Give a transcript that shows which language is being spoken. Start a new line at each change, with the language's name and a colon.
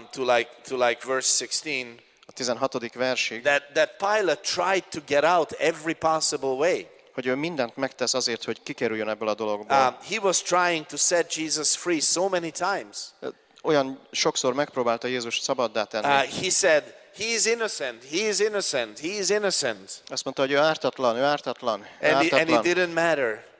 English: To like verse 16.
Hungarian: A 16. versig.
English: That Pilate tried to get out every possible way.
Hungarian: Hogy ő mindent megtesz azért, hogy kikerüljön ebből a dologból.
English: He was trying to set Jesus free so many times.
Hungarian: Olyan sokszor megpróbálta Jézus szabaddá tenni.
English: He said, he is innocent. He is innocent. He is innocent.
Hungarian: Azt mondta, hogy ő ártatlan.
English: And it didn't matter.